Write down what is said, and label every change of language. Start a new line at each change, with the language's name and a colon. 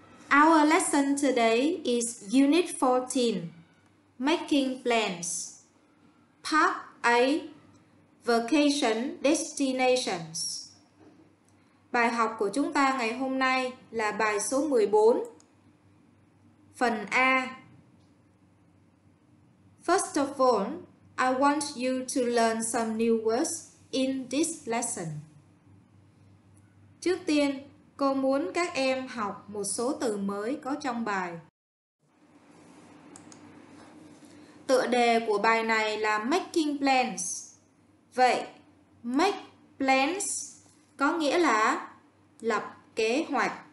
English: Our lesson today is Unit 14, Making Plans, Part A, Vacation Destinations.
Vietnamese: Bài học của chúng ta ngày hôm nay là bài số 14, phần A.
English: First of all, I want you to learn some new words in this lesson.
Vietnamese: Trước tiên, cô muốn các em học một số từ mới có trong bài. Tựa đề của bài này là Making Plans. Vậy, Make Plans có nghĩa là lập kế hoạch.